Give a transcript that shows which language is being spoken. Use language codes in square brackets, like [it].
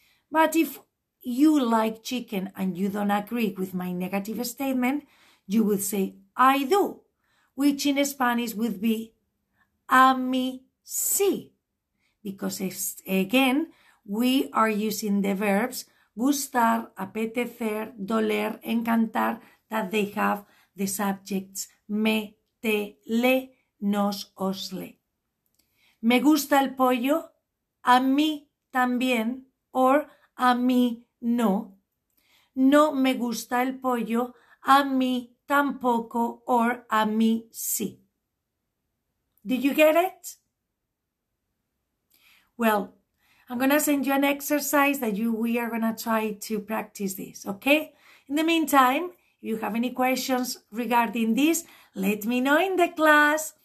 [en] But if you like chicken and you don't agree with my negative statement, you would say I do, which in Spanish would be a mí sí. Because again, We are using the verbs gustar, apetecer, doler, encantar, that they have the subjects me, te, le, nos, os, le. [es] Me gusta el pollo, a mí también, or a mí no. No me gusta el pollo, a mí tampoco, or a mí sí. [en] Did you get it? Well, I'm going to send you an exercise that we are going to try to practice this, okay? In the meantime, if you have any questions regarding this, let me know in the class.